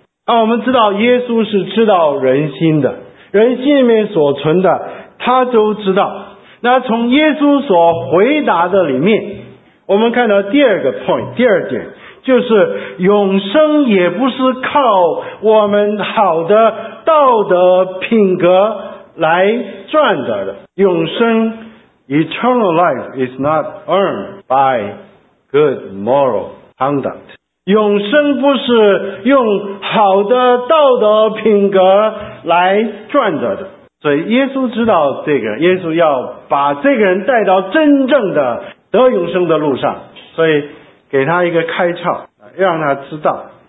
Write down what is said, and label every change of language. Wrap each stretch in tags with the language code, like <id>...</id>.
<zh>那我们知道耶稣是知道人心的，人心里面所存的他都知道。那从耶稣所回答的里面，我们看到第二个 point， 第二点就是永生也不是靠我们好的道德品格来赚得的。永生</zh> <en>eternal life is not earned by good moral conduct。</en> <zh>永生不是用好的道德品格来赚得的。所以耶稣知道这个，耶稣要把这个人带到真正的得永生的路上，所以给他一个开窍，让他知道。</zh>